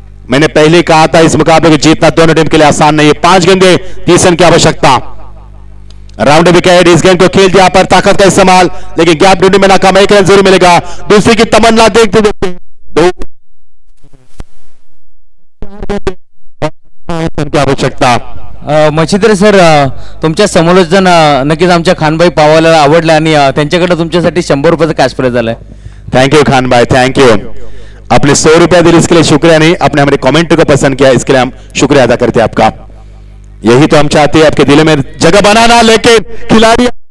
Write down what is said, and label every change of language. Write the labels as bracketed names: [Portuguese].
[Hindi] मैंने पहले कहा था इस मुकाबले को जीतना दोनों टीम के लिए आसान नहीं है। 5 गेंदे 30 रन की आवश्यकता। राउंड विकेट, इस गेंद को खेल दिया पर ताकत का इस्तेमाल, लेकिन गैप ढूंढने में नाकाम, एक रन जरूर मिलेगा, दूसरी की तमन्ना देखते देखते दो आवश्यकता। [Marathi] मच्छिद्र सर, तुमच्या समालोचन नक्कीच आमच्या खानभाई पावाला आवडलं, आणि त्यांच्याकडे तुमच्यासाठी 100 रुपयाचं कॅश प्राइज आलंय। [Hindi] थँक्यू खानभाई, थँक्यू, आपले 100 रुपये दिले इसके लिए शुक्रिया नहीं, आपने हमारे कमेंट को पसंद किया इसके लिए हम शुक्रिया अदा करते हैं आपका, यही तो हम चाहते हैं आपके दिल में जगह बनाना, लेकिन खिलाड़ी